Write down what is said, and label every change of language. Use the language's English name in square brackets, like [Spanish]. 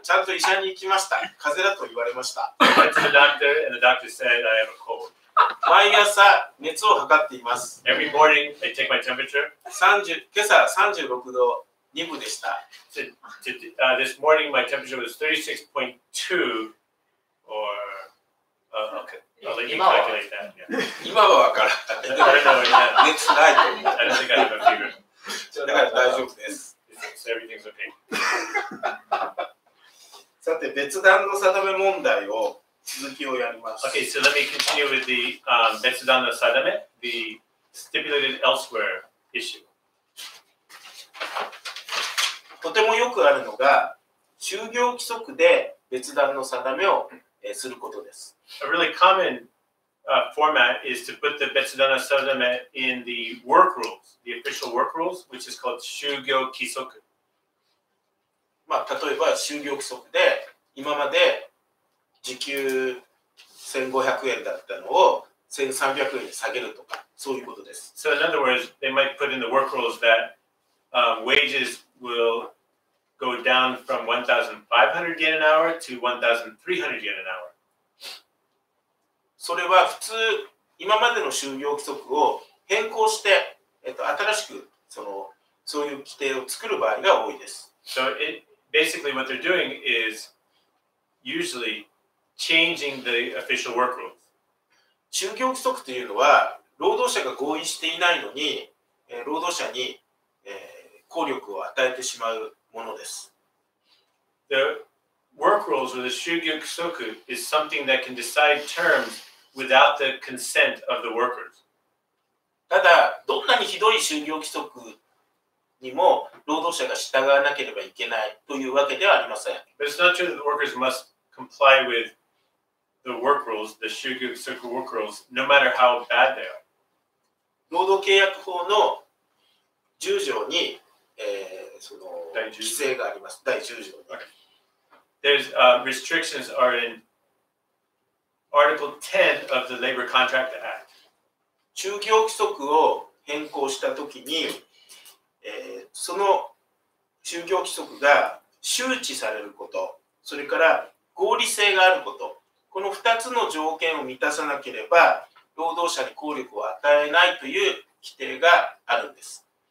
[Japanese] ちゃんと医者に行きました。風邪だと言われました。 [English] I went to the doctor and the doctor said I have a cold. [Japanese] 毎朝熱を測っています。 [English] Every morning I take my temperature. [Japanese] 今朝36度2分でした。 [English] This morning my temperature was 36.2 or okay. I'll let you calculate that. [Japanese] 今は分からない。熱ないと思う。 [English] I don't think I have a fever. [Japanese] だから大丈夫です。 [English] So everything's okay. [Japanese] さて別段の定め問題を続きをやります。 [English] Okay, so let me continue with the Betsudan no Sadame, the stipulated elsewhere issue. [Japanese] とてもよくあるのが、就業規則で Betsudan no Sadame をすることです。 [English] A really common format is to put the Betsudan no Sadame in the work rules, the official work rules, which is called 就業規則。 [Japanese] まあ、例えば、就業規則で今まで時給1500円だったのを1300円に下げるとか、そういうことです。 [English] So in other words, they might put in the work rules that、wages will go down from 1,500 yen an hour to 1,300 yen an hour. [Japanese] それは普通、今までの就業規則を変更して、新しくそういう規定を作る場合が多いです。 [English] So it, basically what they're doing is usually... Changing the official work rules. [Japanese] 就業規則というのは労働者が合意していないのに労働者に効力を与えてしまうものです。 [English] The work rules or the 就業規則 is something that can decide terms without the consent of the workers. [Japanese] ただどんなにひどい就業規則にも労働者が従わなければいけないというわけではありません。 [English] But it's not true that the workers must comply withThe work rules, the 就業規則 work rules, no matter how bad they are. [Japanese] 労働契約法の10条に、その規制があります。第10条に。 [English] Okay. There's restrictions are in Article 10 of the Labor Contract Act. [Japanese] 就業規則を変更したときに、その就業規則が周知されること、それから合理性があること、この2つの条件を満たさなければ労働者に効力を与えないという規定があるんです。